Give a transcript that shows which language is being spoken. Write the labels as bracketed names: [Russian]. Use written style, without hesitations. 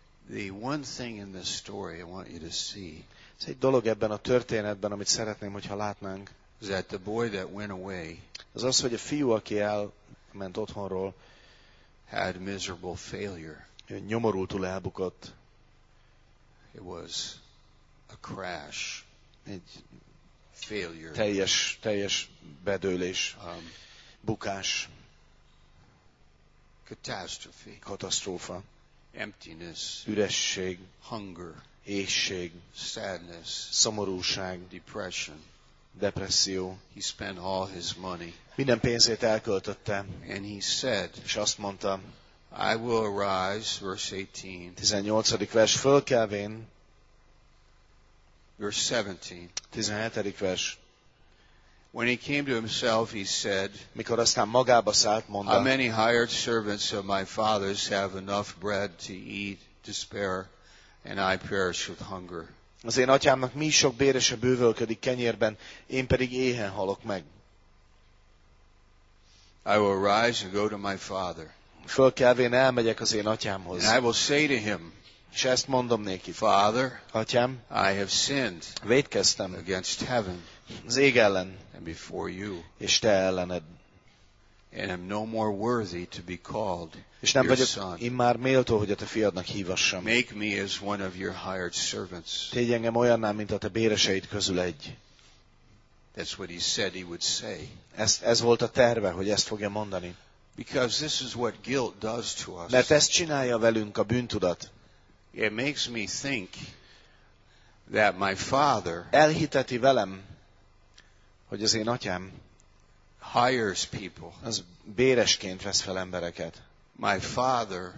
[English] The one thing in this story I want you to see. [Hungarian] Ez egy dolog ebben a történetben, amit szeretném, hogyha látnánk. [English] That the boy that went away, [Hungarian] az az, hogy a fiú, aki elment otthonról, [English] had miserable failure. [Hungarian] Nyomorultul elbukott. [English] It was a crash. [Hungarian] Egy [English] failure. [Hungarian] Teljes bedőlés. Bukás. [English] Catastrophe. [Hungarian] Katasztrófa. [English] Emptiness. [Hungarian] Üresség. [English] Hunger. [Hungarian] Éhség, [English] sadness, [Hungarian] szomorúság, [English] depression, [Hungarian] depresszió. [English] He spent all his money. [Hungarian] Minden pénzét elköltötte. [English] And he said, [Hungarian] és azt mondta, [English] I will arise, verse 18. [Hungarian] 18. vers, fölkelvén. [English] Verse 17. [Hungarian] 17. vers. [English] When he came to himself, he said, [Hungarian] mikor aztán magába szállt, mondta, [English] how many hired servants of my father's have enough bread to eat, to spare, and I perish with hunger. [Hungarian] Az én atyámnak mi sok bérese bővölködik kenyérben, én pedig éhen halok meg. [English] I will rise and go to my father. [Hungarian] Fölkelvén elmegyek az én atyámhoz. [English] And I will say to him, [Hungarian] és ezt mondom neki, [English] father, [Hungarian] atyám, [English] I have sinned, [Hungarian] vétkeztem [English] against heaven, [Hungarian] az ég ellen, [English] and before you, [Hungarian] és te ellened, [English] and am no more worthy to be called, [Hungarian] és nem [English] your [Hungarian] vagyok [English] son, [Hungarian] immár méltó, hogy a te fiadnak hívassam. [English] Make me as one of your hired servants. [Hungarian] Tégy engem olyanná, mint a te béreseid közül egy. [English] That's what he said he would say. [Hungarian] Ez volt a terve, hogy ezt fogja mondani. [English] Because this is what guilt does to us. [Hungarian] Mert ezt csinálja velünk a bűntudat. [English] It makes me think that my father [Hungarian] elhiteti velem, hogy az én atyám [English] hires people, [Hungarian] az béresként vesz fel embereket. [English] My father,